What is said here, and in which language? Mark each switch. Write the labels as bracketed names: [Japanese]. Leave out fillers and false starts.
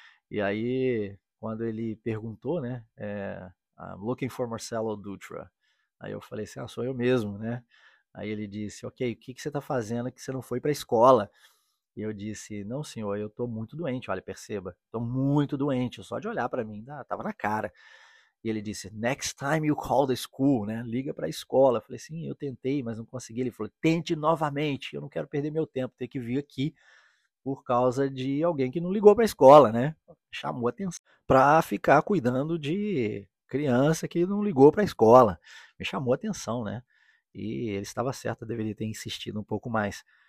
[Portuguese] E aí, quando ele perguntou, né? [English] I'm looking for Marcelo Dutra. [Portuguese] Aí eu falei assim, ah, sou eu mesmo, né? Aí ele disse, ok, o que você está fazendo que você não foi para a escola? E eu disse, não, senhor, eu estou muito doente, olha, perceba, estou muito doente, só de olhar para mim, estava na cara. E ele disse, [English] next time you call the school, né? [Portuguese] Liga para a escola. Eu falei, sim, eu tentei, mas não consegui. Ele falou, tente novamente, eu não quero perder meu tempo, ter que vir aqui por causa de alguém que não ligou para a escola, né? Chamou atenção para ficar cuidando de criança que não ligou para a escola. Me chamou atenção, né? E ele estava certo, eu deveria ter insistido um pouco mais.